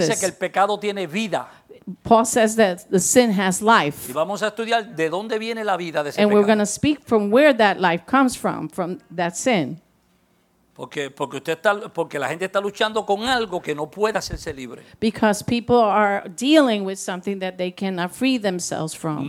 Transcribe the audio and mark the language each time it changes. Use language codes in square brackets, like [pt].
[es] Pero Pablo dice que el pecado tiene vida. [en] Paul says that the sin has life. [es] Y vamos a estudiar de dónde viene la vida de ese [en] and [es] pecado. [en] We're going to speak from where that life comes from that sin. [es] Porque usted está, porque la gente está luchando con algo que no puede hacerse libre. [en] Because people are dealing with something that they cannot free themselves from.